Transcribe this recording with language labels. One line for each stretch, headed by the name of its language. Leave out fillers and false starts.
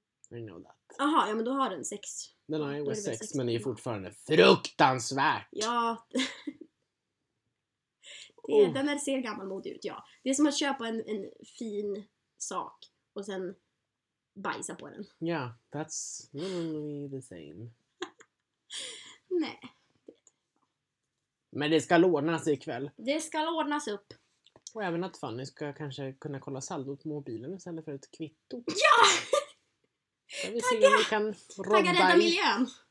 English: I know that.
Swedish: Aha, ja, men då har den 6. Den har iOS 6, men det är fortfarande fruktansvärt. Ja... Det, oh. Den ser gammalmodig ut, ja. Det är som att köpa en fin sak och sen bajsa på den.
English: Ja, yeah, that's literally the same.
Swedish: Nej. Men det ska ordnas ikväll. Det ska ordnas upp. Och även att Fanny ska kanske kunna kolla saldot på mobilen istället för ett kvitto. Ja! Vi ser om vi kan robba tagga rädda miljön.